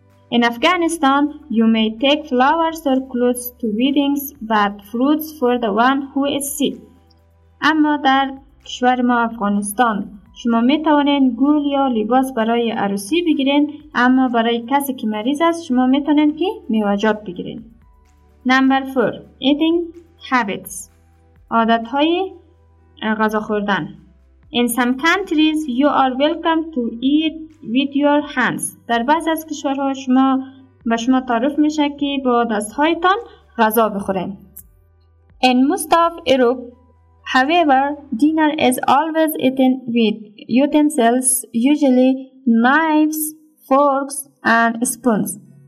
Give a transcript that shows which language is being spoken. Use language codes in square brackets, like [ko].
[en] In Afghanistan, you may take flowers or clothes to weddings, but fruits for the one who is sick. [fa] اما در کشور ما افغانستان شما می توانید گل یا لباس برای عروسی بگیرین، اما برای کسی که مریض است شما می توانید که میوه‌جات بگیرین. [en] Number 4. Eating habits. [fa] عادت های غذا خوردن. [en] In some countries, you are welcome to eat with your hands. [fa] در بعض از کشورها شما به شما تعریف میشه که با دستهایتان غذا بخورین. [en] In most of Europe, however, dinner is always eaten with utensils, usually knives, forks, and spoons.